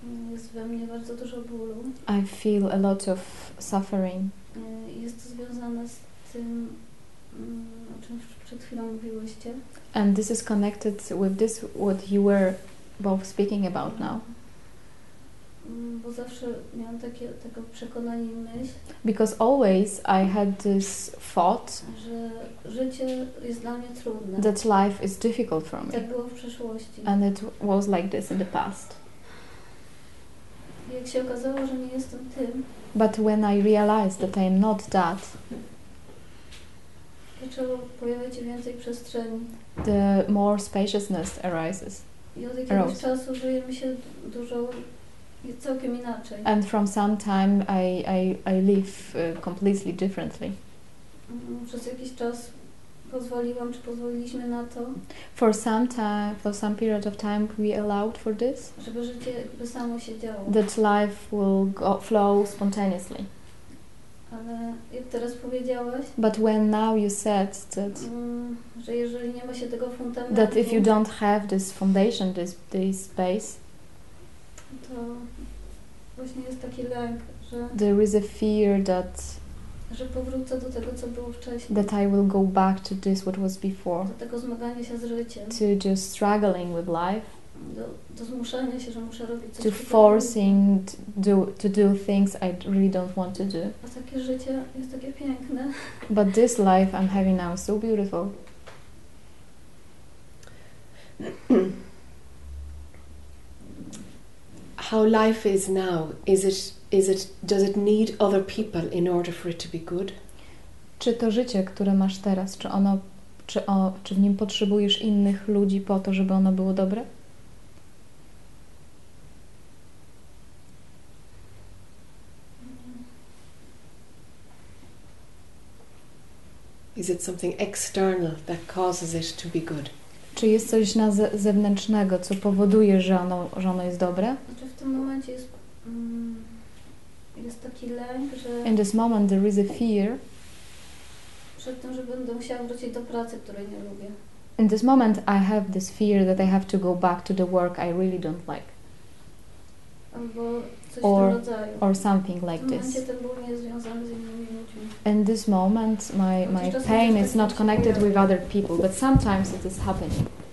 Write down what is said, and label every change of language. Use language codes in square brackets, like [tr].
[pl] jest we mnie bardzo dużo bólu. [en] I feel a lot of suffering. [pl] Jest to związane z tym, o czym przed chwilą mówiłyście. [en] And this is connected with this, what you were both speaking about now. [pl] Bo zawsze miałam takie tego przekonanie i myśl. [en] Because always I had this thought, [pl] że życie jest dla mnie trudne. [en] That life is difficult for me. [pl] Tak było w przeszłości. [en] And it was like this in the past. [pl] Jak się okazało, że nie jestem tym. [en] But when I realized that I am not that, [pl] zaczęło pojawiać się więcej przestrzeni. [en] The more spaciousness arises. [pl] I od jakiegoś czasu żyje mi się dużo. [en] It's [pl] całkiem inaczej. [en] And from some time I live completely differently. [pl] Przez jakiś czas pozwoliłam, czy pozwoliliśmy na to? [en] For some time, for some period of time, we allowed for this. [pl] Żeby życie by samo się działo. [en] That life will go, flow spontaneously. [pl] Ale jak teraz powiedziałeś? [en] But when now you said that. [pl] Że jeżeli nie ma się tego fundamentu. [en] That if you don't have this foundation, this base. [pl] To właśnie jest taki lęk, że [en] there is a fear that [pl] że powrócę do tego, co było wcześniej. [en] That I will go back to this what was before. [pl] Do tego zmagania się z życiem. [en] To just struggling with life. [pl] Do zmuszania się, że muszę robić coś. [en] To forcing to do things I really don't want to do. [pl] A takie życie jest takie piękne. [en] But this life I'm having now is so beautiful. How life is now, does it need other people in order for it to be good? [pl] Czy to życie, które masz teraz, czy w nim potrzebujesz innych ludzi po to, żeby ono było dobre? [en] Is it something external that causes it to be good? [pl] Czy jest coś na zewnętrznego, co powoduje, że ono jest dobre? W tym momencie jest taki lęk, że [en] in this moment there is a fear [pl] przed tym, że będę musiała wrócić do pracy, której nie lubię. [en] In this moment I have this fear that I have to go back to the work I really don't like. [pl] Albo coś [en] or something like this. [pl] W tym momencie ten ból nie jest związany z innymi ludźmi. [en] In this moment my pain is not connected with other people, but sometimes it is happening.